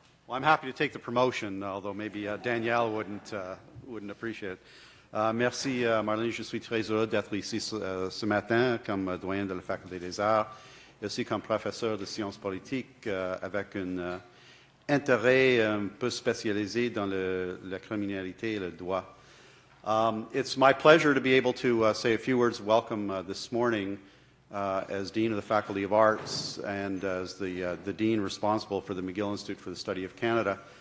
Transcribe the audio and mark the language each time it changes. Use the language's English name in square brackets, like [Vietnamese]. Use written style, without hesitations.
[English] I'm happy to take the promotion, although maybe Danielle wouldn't appreciate it. [French] Merci, Marlene. Je suis très heureux d'être ici ce matin comme doyen de la Faculté des Arts et aussi comme professeur de sciences politiques avec un intérêt un peu spécialisé dans la criminalité et le droit. [English] It's my pleasure to be able to say a few words of welcome this morning as Dean of the Faculty of Arts and as the Dean responsible for the McGill Institute for the Study of Canada.